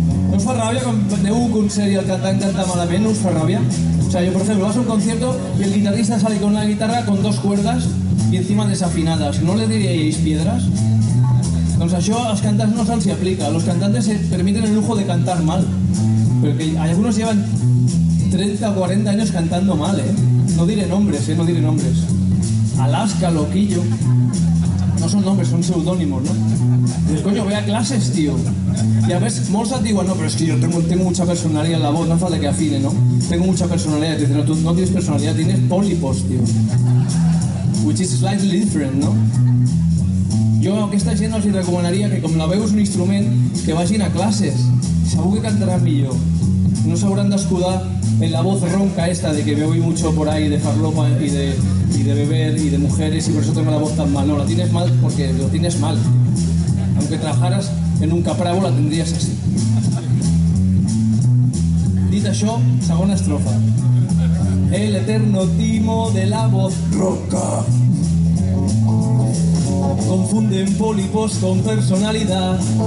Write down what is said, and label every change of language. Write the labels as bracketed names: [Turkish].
[Catalan] ¿No os fa ràbia quan aneu a un concert i el cantant canta malament? ¿No us fa ràbia? [Spanish] O sea, yo por ejemplo, vas a un concierto y el guitarrista sale con una guitarra con dos cuerdas y encima desafinadas. ¿No le diríais piedras? [Catalan] Doncs això als cantants no se'ls aplica. [Spanish] Los cantantes se permiten el lujo de cantar mal. Pero que algunos llevan 30 o 40 años cantando mal, ¿eh? No diré nombres, ¿eh? No diré nombres. Alaska, loquillo. No son nombres, son pseudónimos, ¿no? Dices, coño, ve a clases, tío. Y a veces, [Catalan] molts et diuen, [Spanish] no, pero es que yo tengo mucha personalidad en la voz, no falta que afine, ¿no? Tengo mucha personalidad. Dices, no, tú no tienes personalidad, tienes pólipos, tío. [English] Which is slightly different, ¿no? [Catalan] Jo a aquesta gent els recomanaria que, com la veu és un instrument, que vagin a classes. Segur que cantarà millor. No s'hauran d'escudar [Spanish] en la voz ronca esta de que me oí mucho por ahí de farlopa y de beber y de mujeres y por eso tengo la voz tan mal. No, la tienes mal porque lo tienes mal. Aunque trabajaras en un caprabo la tendrías así. [Catalan] Dit això, segona estrofa. [Spanish] El eterno timo de la voz ronca. Confunden pólipos con personalidad.